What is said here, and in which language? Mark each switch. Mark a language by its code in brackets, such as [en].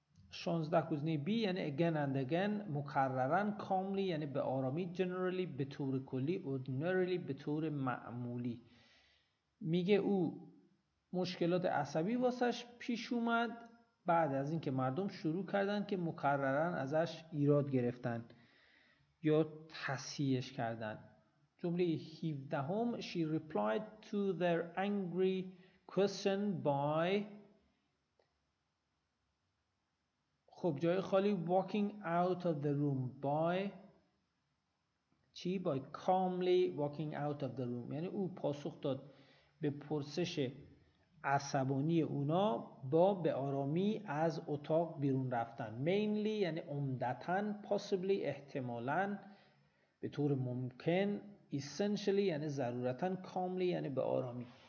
[fa] 16 گزینه B یعنی [en] again and again، [fa] مکررن، calmly یعنی به آرامی، generally به طور کلی، ordinarily به طور معمولی. میگه او مشکلات عصبی واسش پیش اومد بعد از اینکه مردم شروع کردن که مکررن ازش ایراد گرفتن یا تصحیحش کردن. جمله 17، [en] she replied to their angry question by [fa] خب جای خالی [en] walking out of the room by [fa] چی؟ [en] by calmly walking out of the room. [fa] یعنی او پاسخ داد به پرسش عصبانی اونا با به آرامی از اتاق بیرون رفتن. mainly یعنی عمدتاً، possibly احتمالاً، به طور ممکن، essentially یعنی ضرورتاً، calmly یعنی به آرامی.